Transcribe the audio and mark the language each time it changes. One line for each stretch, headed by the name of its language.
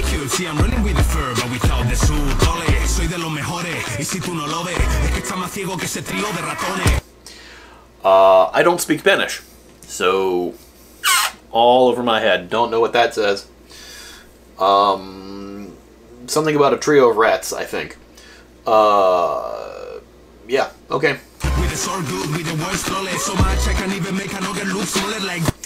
English: See, I'm running with the fur, but without the suit, ole.
Spanish: Soy de los mejores, y si tú no lo ves, es que está más ciego que ese trío de ratones.
English: I don't speak Spanish, so all over my head. Don't know what that says. Something about a trio of rats, I think. Yeah, okay. With the sword good, with the worst, ole. So much I can even make an ogre look smaller, like...